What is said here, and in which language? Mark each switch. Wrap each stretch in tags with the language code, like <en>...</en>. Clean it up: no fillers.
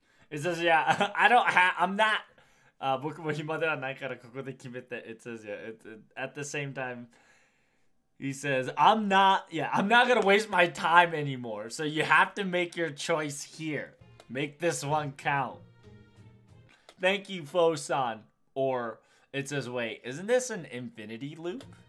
<en>It says, yeah, I don't have, I'm not.</en> <ja>僕も暇ではないからここで決めて。</ja> <en>It says, yeah, at the same time, he says, I'm not gonna waste my time anymore. So you have to make your choice here. Make this one count. Thank you, Fosan, or... It says, wait, isn't this an infinity loop?</en>